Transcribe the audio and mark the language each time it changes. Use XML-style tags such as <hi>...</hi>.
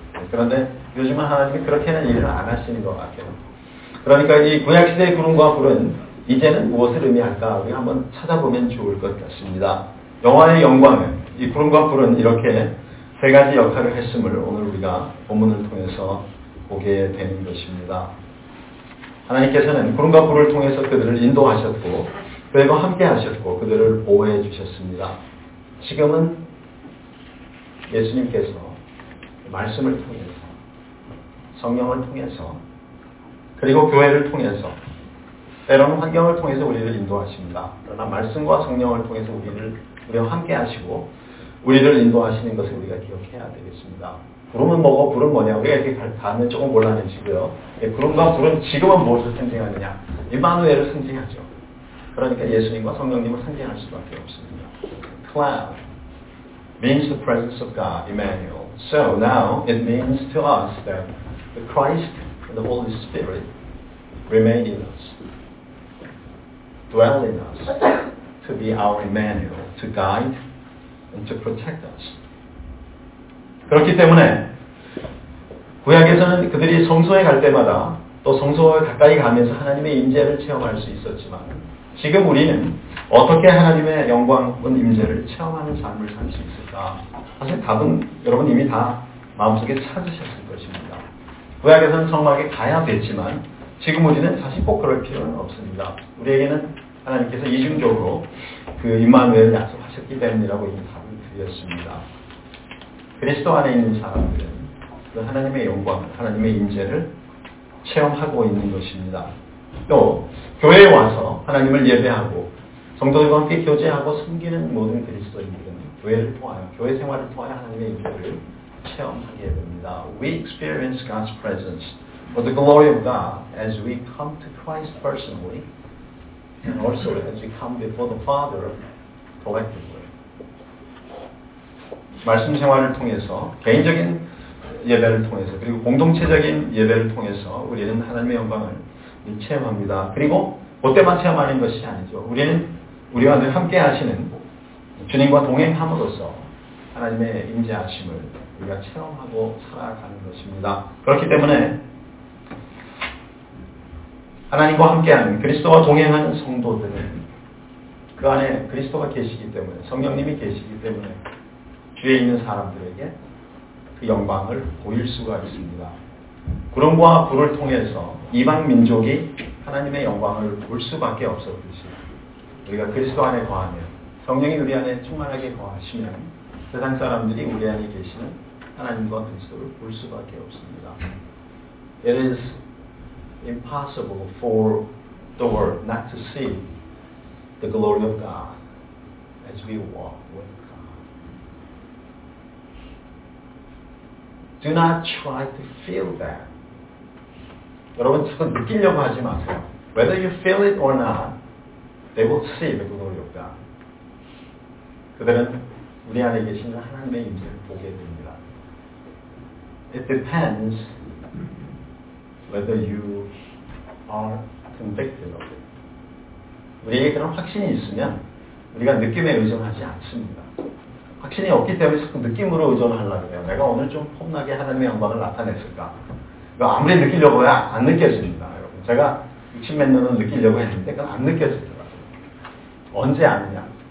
<ko>그런데 요즘은 하나님이 그렇게는 일을 안 하시는 것 같아요. 그러니까 이 구약시대의 구름과 불은 이제는 무엇을 의미할까 우리 한번 찾아보면 좋을 것 같습니다. 영화의 영광은 이 구름과 불은 이렇게 세 가지 역할을 했음을 오늘 우리가 본문을 통해서 보게 되는 것입니다. 하나님께서는 구름과 불을 통해서 그들을 인도하셨고 그리고 함께 하셨고 그들을 보호해 주셨습니다. 지금은 예수님께서 말씀을 통해서 성령을 통해서 그리고 교회를 통해서 때로는 환경을 통해서 우리를 인도하십니다. 그러나 말씀과 성령을 통해서 우리와 함께 하시고 우리를 인도하시는 것을 우리가 기억해야 되겠습니다. 구름은 뭐고 불은 뭐냐 우리가 이렇게 가면 조금 곤란해지고요. 구름과 불은 지금은 무엇을 상징하느냐 임마누엘을 상징하죠. 그러니까 예수님과 성령님을 상징할 수밖에 없습니다.</ko> <en>Cloud means the presence of God, Emmanuel. So now it means to us that the Christ and the Holy Spirit remain in us, dwell in us, to be our Emmanuel, to guide and to protect us.</en> <ko>그렇기 때문에 구약에서는 그들이 성소에 갈 때마다 또 성소에 가까이 가면서 하나님의 임재를 체험할 수 있었지만 지금 우리는 어떻게 하나님의 영광 혹은 임재를 체험하는 삶을 살 수 있을까? 사실 답은 여러분 이미 다 마음속에 찾으셨을 것입니다. 구약에서는 성막에 가야 됐지만 지금 우리는 사실 꼭 그럴 필요는 없습니다. 우리에게는 하나님께서 이중적으로 그 임마누엘을 약속하셨기 때문이라고 이미 답을 드렸습니다. 그리스도 안에 있는 사람들은 그 하나님의 영광, 하나님의 임재를 체험하고 있는 것입니다. 또 교회에 와서 하나님을 예배하고 성도들과 함께 교제하고 섬기는 모든 그리스도인들은 교회를 통하여 교회 생활을 통하여 하나님의 임재를 체험하게 됩니다.</ko> <en>We experience God's presence or the glory of God as we come to Christ personally and also as we come before the Father collectively.</en> <ko>말씀 생활을 통해서 개인적인 예배를 통해서 그리고 공동체적인 예배를 통해서 우리는 하나님의 영광을 체험합니다. 그리고 그때만 체험하는 것이 아니죠. 우리는 우리와 늘 함께 하시는 주님과 동행함으로써 하나님의 임재하심을 우리가 체험하고 살아가는 것입니다. 그렇기 때문에 하나님과 함께하는 그리스도와 동행하는 성도들은 그 안에 그리스도가 계시기 때문에 성령님이 계시기 때문에 주위에 있는 사람들에게 그 영광을 보일 수가 있습니다. 구름과 불을 통해서 이방 민족이 하나님의 영광을 볼 수밖에 없었듯이 우리가 그리스도 안에 거하면 성령이 우리 안에 충만하게 거하시면 세상 사람들이 우리 안에 계시는 하나님과 그리스도를 볼 수밖에 없습니다.</ko> <en>It is impossible for the world not to see the glory of God as we walk with God. Do not try to feel that.</en> <ko>여러분, 자꾸 느끼려고 하지 마세요.</ko> <en>Whether you feel it or not, they will see the glory of God.</en> <ko>그들은 우리 안에 계신 하나님의 임재를 보게 됩니다.</ko> <en>It depends whether you are convicted of it.</en> <ko>우리에게 그런 확신이 있으면 우리가 느낌에 의존하지 않습니다. 확신이 없기 때문에 자꾸 느낌으로 의존하려고 해요. 내가 오늘 좀 폼나게 하나님의 영광을 나타냈을까? 아무리 느끼려고 해야 안 느껴집니다. 여러분. 제가 60몇 년은 느끼려고 했는데 그건 안 느껴지더라고요. 언제 아느냐?</ko>